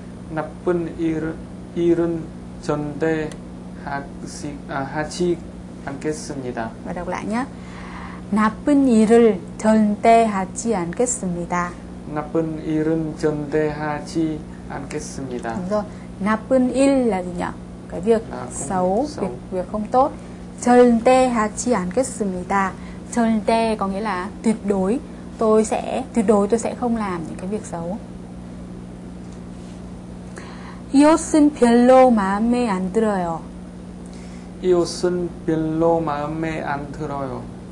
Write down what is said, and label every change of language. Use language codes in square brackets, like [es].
[ko] 나쁜 일은 절대 하지 않겠습니다. 말하고 아니야. 나쁜 일을 절대 하지 않겠습니다. 나쁜 일은 절대 하지 않겠습니다. 나쁜 일은 절대 하지 않겠습니다. 나쁜 일은 절대 하지 않겠습니다. 절대 하지 않겠습니다. [vi] 절대 có nghĩa là tuyệt đối. Tôi sẽ, tuyệt đối tôi sẽ không làm những cái việc xấu. [ko] 이 옷은 별로 마음에 안 들어요. 이 옷은 별로 마음에 안 들어요.